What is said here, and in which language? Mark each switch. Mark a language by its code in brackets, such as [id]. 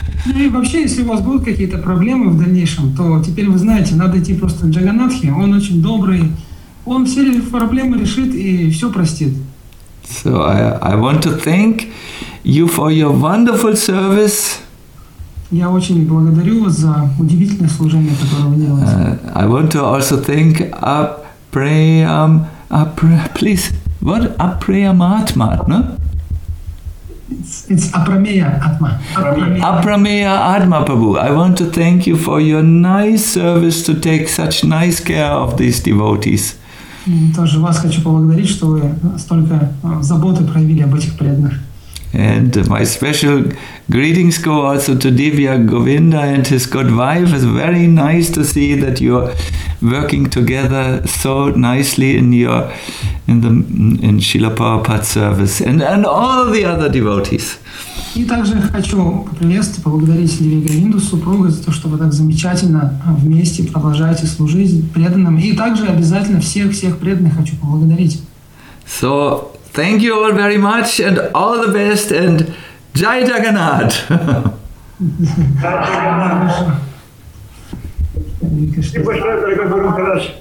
[ru] Ну и вообще, если у вас будут какие-то проблемы в дальнейшем, то теперь вы знаете, надо идти просто к Джаганатхе, он очень добрый, он все проблемы решит и все простит. [en] So I want to thank you for your wonderful service. [ru] Я очень благодарю вас за удивительное служение, которое вы делаете. [en] I want to also thank Апрамея, please, what? Апрамеяатма, no? It's Апрамеяатма. [ru] Апрамеяатма, Прабу. [en] I want to thank you for your nice service to take such nice care of these devotees. [ru] Тоже вас хочу поблагодарить, что вы столько заботы проявили об этих преданных. [en] And my special greetings go also to Divya Govinda and his good wife. It's very nice to see that you're working together so nicely in Srila Prabhupada's service and all the other devotees. [ru] И также хочу приветствовать, поблагодарить Дивью Говинду, супругу, за то, что вы так замечательно вместе продолжаете служить преданным. И также обязательно всех преданных хочу поблагодарить. [en] So, thank you all very much and all the best and Jai Jagannath!